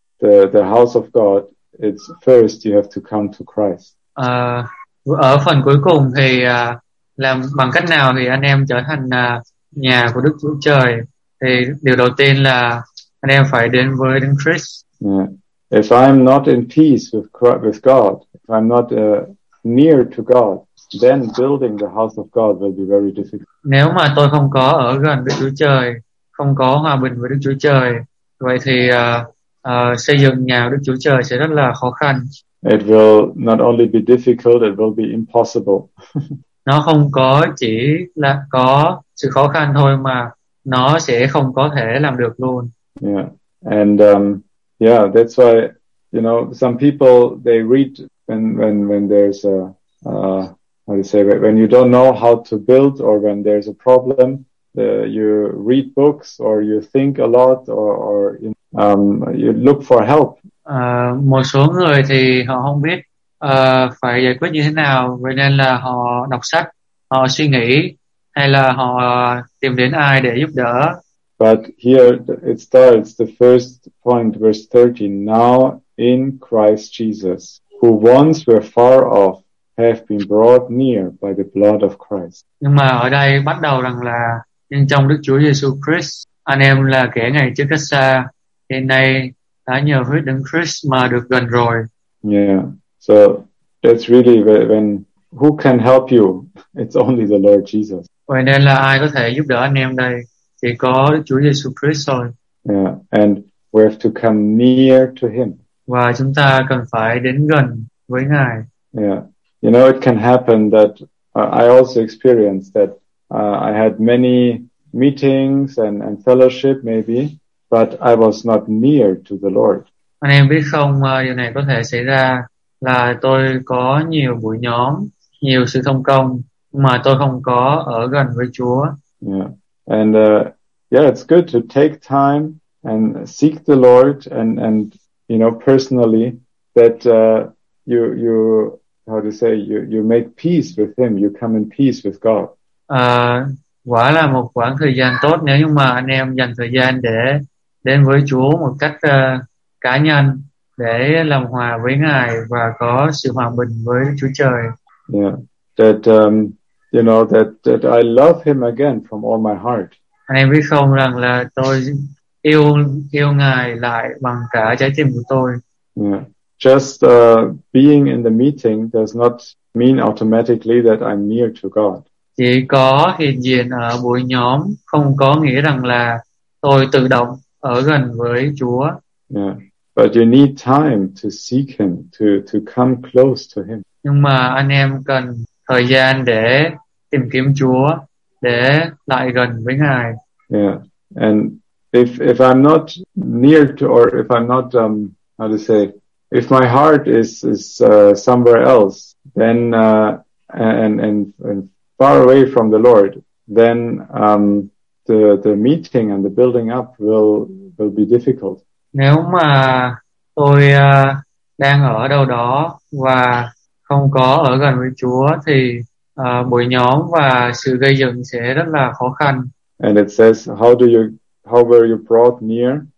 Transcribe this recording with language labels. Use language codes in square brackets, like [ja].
[en] The house of God, it's first you have to come to Christ. [vi] Ở phần cuối cùng thì làm bằng cách nào thì anh em trở thành nhà của Đức Chúa Trời? Thì điều đầu tiên là anh em phải đến với Đấng Christ. [en] Yeah. If I'm not in peace with God, if I'm not near to God, then building the house of God will be very difficult. [vi] Nếu mà tôi không có ở gần Đức Chúa Trời, không có hòa bình với Đức Chúa Trời, vậy thì xây dựng nhà Đức Chúa Trời sẽ rất là khó khăn. [en] It will not only be difficult, it will be impossible. [vi] Nó không có chỉ là có sự khó khăn thôi mà nó sẽ không có thể làm được luôn. [en] Yeah, and yeah, that's why, you know, some people, they read when there's a how do you say, when you don't know how to build or when there's a problem, you read books or you think a lot or you look for help. [vi] Một số người thì họ không biết phải giải quyết như thế nào, vậy nên là họ đọc sách, họ suy nghĩ, hay là họ tìm đến ai để giúp đỡ. [en] But here it starts, the first point, verse 13, now in Christ Jesus, who once were far off, have been brought near by the blood of Christ. [vi] Nhưng mà ở đây bắt đầu rằng là nhưng trong Đức Chúa Giêsu Christ, anh em là kẻ ngày trước cách xa, hiện nay đã nhờ huyết Đấng Christ mà được gần rồi. [en] Yeah, so that's really when who can help you? It's only the Lord Jesus. [vi] Vậy nên là ai có thể giúp đỡ anh em đây? Chỉ có Đức Chúa Giêsu Christ thôi. [en] Yeah, and we have to come near to Him. [vi] Và chúng ta cần phải đến gần với Ngài. [en] Yeah. You know, it can happen that I also experienced that I had many meetings and fellowship maybe, but I was not near to the Lord. [vi] Anh em biết không, điều này có thể xảy ra là tôi có nhiều buổi nhóm, nhiều sự thông công, mà tôi không có ở gần với Chúa. [en] Yeah, and yeah, it's good to take time and seek the Lord and you know, personally, that you how to say, you make peace with Him, you come in peace with God. [vi] Quả là một khoảng thời gian tốt nếu mà anh em dành thời gian để đến với Chúa một cách cá nhân, để làm hòa với Ngài và có sự hòa bình với Chúa Trời. [en] Yeah, that you know, that I love Him again from all my heart. [vi] Anh em biết không rằng là tôi yêu Ngài lại bằng cả trái tim của tôi. [en] Yeah. Just being in the meeting does not mean automatically that I'm near to God. [vi] Chỉ có hiện diện ở buổi nhóm không có nghĩa rằng là tôi tự động ở gần với Chúa. [en] Yeah. But you need time to seek Him, to come close to Him. [vi] Nhưng mà anh em cần thời gian để tìm kiếm Chúa, để lại gần với Ngài. [en] Yeah. And if I'm not near to, or if I'm not how to say, if my heart is somewhere else, then and far away from the Lord, then the meeting and the building up will be difficult. [vi] Nếu mà tôi đang ở đâu đó và không có ở gần với Chúa thì buổi nhóm và sự gây dựng sẽ rất là khó khăn. [en] And it says, how were you brought near?